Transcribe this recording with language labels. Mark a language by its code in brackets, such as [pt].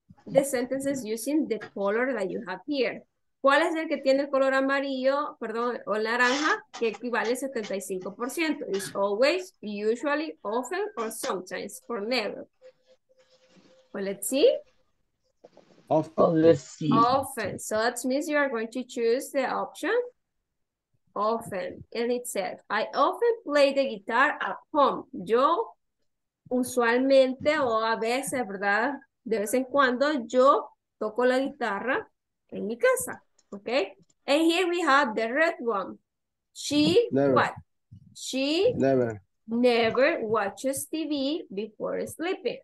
[en] The sentences using the color that you have here. [es] ¿Cuál es el que tiene el color amarillo, perdón, o naranja, que equivale al 75%? [en] It's always, usually, often, or sometimes, or never. Well, let's see. Often, let's see. Often. So that means you are going to choose the option. Often. And it says, I often play the guitar at home. [es] Yo, usualmente, o a veces, ¿verdad? De vez en cuando, yo toco la guitarra en mi casa. [en] Okay. And here we have the red one. She never. What? She never. Never watches TV before sleeping.